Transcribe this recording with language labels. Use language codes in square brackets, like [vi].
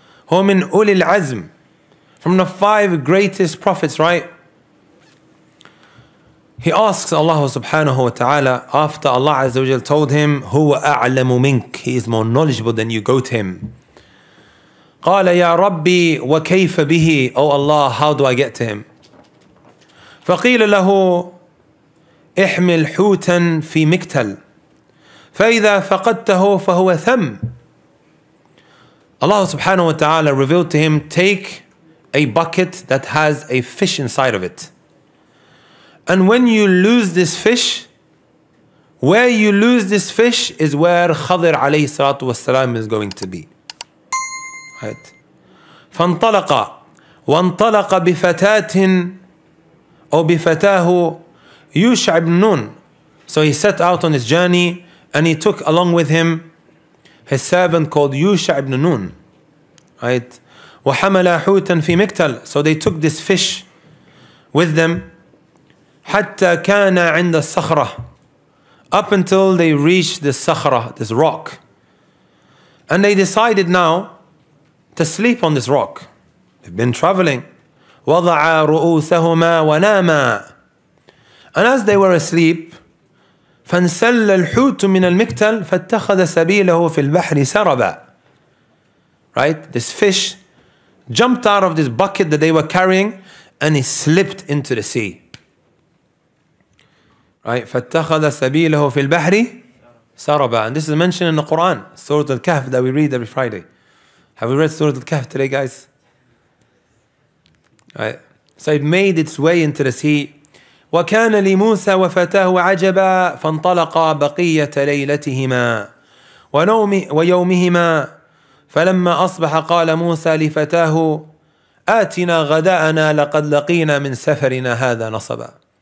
[ar] هو من أولي العزم, [en] from the five greatest prophets, right? He asks Allah subhanahu wa ta'ala, after Allah Azza wa Jalla told him, [ar] هو أعلم منك, [en] he is more knowledgeable than you, go to him. [ar] قال يا ربي وكيف به, [en] oh Allah, how do I get to him? [ar] فقيل له احمل حوتا في مكتل فإذا فقدته فهو ثم. [en] Allah subhanahu wa ta'ala revealed to him, take a bucket that has a fish inside of it, and when you lose this fish, Where you lose this fish is where Khidr alayhi salatu wasalam is going to be. Right. [ar] فانطلق وانطلق بفتاة أو بفتاه يوشع بن نون. [en] So he set out on his journey and he took along with him his servant called يوشع بن نون. [ar] Right. وحمل حوتا في مكتل. [en] So they took this fish with them [ar] حتى كان عند الصخرة. [en] Up until they reached this sakhra, this rock. And they decided now to sleep on this rock. They've been traveling. [ar] وَضَعَ رُؤُوسَهُمَا وَنَامَا. [en] And as they were asleep, [ar] فَانْسَلَّ الْحُوتُ مِنَ الْمِكْتَلِ فَاتَّخَذَ سَبِيلَهُ فِي الْبَحْرِ سَرَبًا. [en] Right? This fish jumped out of this bucket that they were carrying and he slipped into the sea. [ar] Right, فَاتَّخَذَ سَبِيلَهُ فِي الْبَحْرِ سَرَبًا. [en] And this is mentioned in the Quran, Surah Al-Kahf, that we read every Friday. Have we read Surah Al-Kahf today, guys? Right. So it made its way into the sea. [ar] وَكَانَ لِمُوسَى وَفَتَاهُ عَجَبًا فَانْطَلَقَ بَقِيَّةَ لَيْلَتِهِمَا وَيَوْمِهِمَا فَلَمَّا أَصْبَحَ قَالَ مُوسَى لِفَتَاهُ آتِنَا غَدَاءَنَا لَقَدْ لَقِينَا مِنْ سَفَرِنَا هَذَا نَصَبًا.